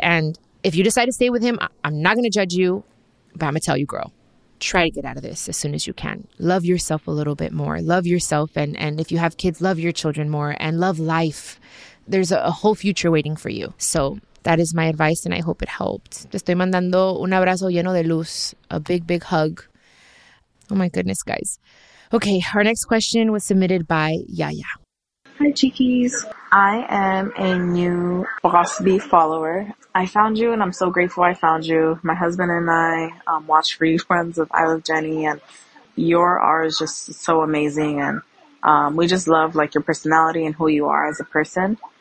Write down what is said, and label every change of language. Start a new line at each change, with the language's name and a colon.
English: And if you decide to stay with him, I'm not going to judge you, but I'm going to tell you, girl. Try to get out of this as soon as you can. Love yourself a little bit more. Love yourself. And if you have kids, love your children more and love life. There's a whole future waiting for you. So that is my advice and I hope it helped.
Spanish: Te estoy mandando un abrazo lleno de luz.
English: A big, big hug. Oh my goodness, guys. Okay, our next question was submitted by Yaya. Hi, Cheekies. I am a new Boss B follower. I found you, and I'm so grateful I found you. My husband and I watch Free Friends of I Love Jenny, and your R is just so amazing, and we just love, like, your personality and who you are as a person.